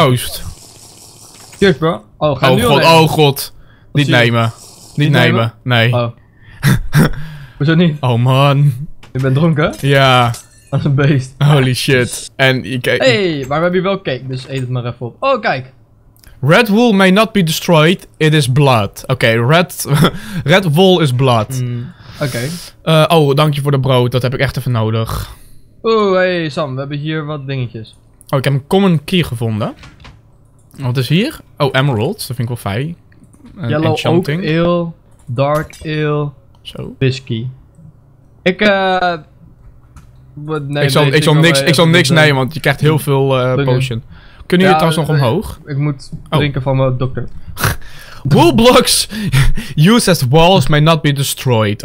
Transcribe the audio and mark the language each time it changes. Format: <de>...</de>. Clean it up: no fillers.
<nl>is. Proost.</nl> <en>Cheers, bro. Oh,</en> <nl>ga nu god, al nemen. Oh god. Niet nemen. Nee. Oh. Hoezo niet? Oh man. Je bent dronken? Ja. Dat is een beest.</nl> <en>Holy shit.</en> <nl>En je kijkt... Hey, maar we hebben hier wel cake, dus eet het maar even op. Oh, kijk.</nl> <en>Red wool may not be destroyed, it is blood.</en> <nl>Oké, red wool is blood. Oké. Oh, dank je voor de brood, dat heb ik echt even nodig. Oeh, hey Sam, we hebben hier wat dingetjes. Oh, ik heb een common key gevonden. Wat is hier? Oh, emeralds, dat vind ik wel fijn.</nl> <en>Yellow oak ale, dark ale,</en> <nl>zo. Whiskey. Ik, Ik zal niks nemen, want je krijgt heel veel potion. Kunnen jullie trouwens nog omhoog? Ik moet drinken van mijn dokter.</nl> <en>Wool blocks used as walls may not be destroyed.</en>